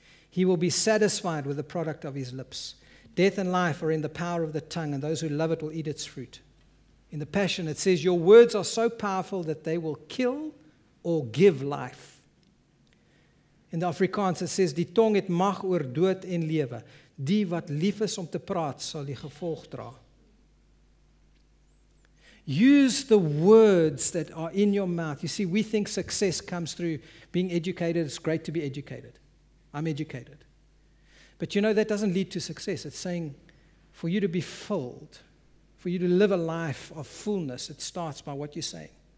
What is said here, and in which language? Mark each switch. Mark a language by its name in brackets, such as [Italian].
[English] He will be satisfied with the product of his lips. Death and life are in the power of the tongue, and those who love it will eat its fruit. In the Passion, it says, your words are so powerful that they will kill or give life. In the Afrikaans, it says, [Afrikaans] die tong het mag oor dood en lewe. Die wat lief is om te praat, sal die gevolg dra. [English] Use the words that are in your mouth. You see, we think success comes through being educated. It's great to be educated. I'm educated. But you know, that doesn't lead to success. It's saying for you to be filled, for you to live a life of fullness, it starts by what you're saying.